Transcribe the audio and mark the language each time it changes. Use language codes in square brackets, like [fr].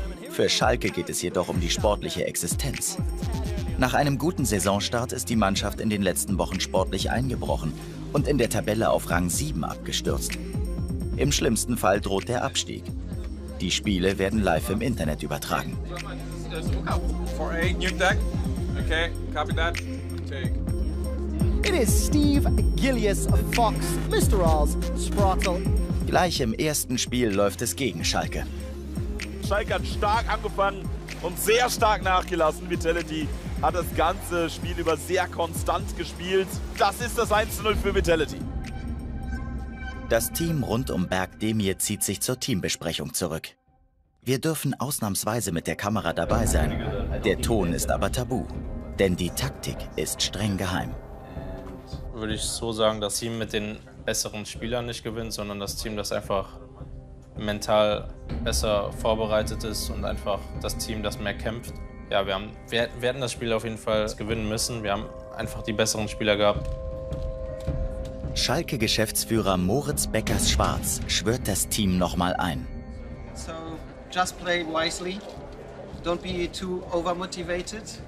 [de] Für Schalke geht es jedoch um die sportliche Existenz. Nach einem guten Saisonstart ist die Mannschaft in den letzten Wochen sportlich eingebrochen und in der Tabelle auf Rang 7 abgestürzt. Im schlimmsten Fall droht der Abstieg. Die Spiele werden live im Internet übertragen. [en] It is Steve Gillius Fox, Mr. Oz, Sprottle. [de] Gleich im ersten Spiel läuft es gegen Schalke. Schalke hat stark angefangen und sehr stark nachgelassen. Vitality hat das ganze Spiel über sehr konstant gespielt. Das ist das 1-0 für Vitality. Das Team rund um Bergdemir zieht sich zur Teambesprechung zurück. Wir dürfen ausnahmsweise mit der Kamera dabei sein. Der Ton ist aber tabu, denn die Taktik ist streng geheim. Würde ich so sagen, das Team mit den besseren Spielern nicht gewinnt, sondern das Team, das einfach mental besser vorbereitet ist und einfach das Team, das mehr kämpft. Ja, wir werden das Spiel auf jeden Fall gewinnen müssen. Wir haben einfach die besseren Spieler gehabt. Schalke-Geschäftsführer Moritz Beckers-Schwarz schwört das Team nochmal ein. [en] So, just play wisely. Don't be too overmotivated.